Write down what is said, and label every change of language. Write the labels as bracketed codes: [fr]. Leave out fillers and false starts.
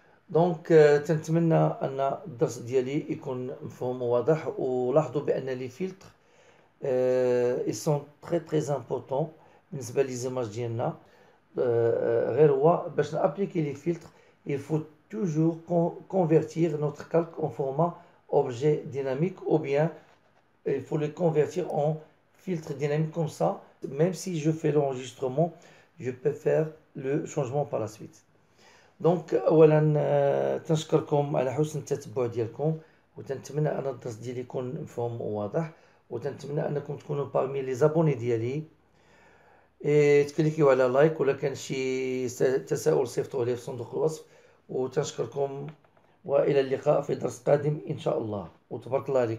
[ar] دونك تنتمنى ان الدرس ديالي يكون مفهوم وواضح ولاحظوا بان لي فيلتر [fr] ils sont très très importants [ar] بالنسبة لي زيماج ديالنا غير هو باش نابليكي لي فيلتر [fr] il faut toujours convertir notre calque en format objet dynamique ou bien il faut le convertir en filtre dynamique comme ça. Même si je fais l'enregistrement, je peux faire le changement par la suite. Donc, voilà, [ar] تنشكركم على حسن التتبع ديالكم وتنتمنى أن الدرس ديالي يكون مفهوم وواضح وتنتمنى أنكم تكونوا [fr] parmi les abonnés [ar] ديالي تكليكيو على لايك ولا كان شي تساؤل صيفطوه لي في صندوق الوصف وتنشكركم وإلى اللقاء في درس قادم إن شاء الله وتبارك الله عليكم.